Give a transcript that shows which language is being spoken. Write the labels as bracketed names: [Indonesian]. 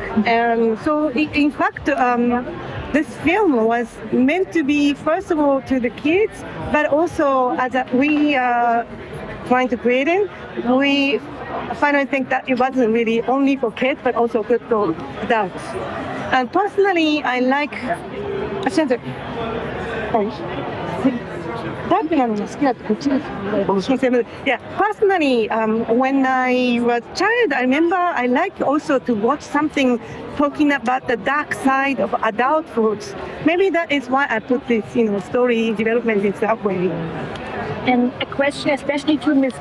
[English] And so in fact, this film was meant to be, first of all, to the kids, but also as we are trying to create it, we finally think that it wasn't really only for kids, but also for adults. And personally, I like... [Japanese] はい、ダークなのが好きだってこっちですよね。 [English] いや、personally, when I was child, I remember I like also to watch something talking about the dark side of adulthood. Maybe that is why I put this, you know, story development in that way. And a question especially to Ms.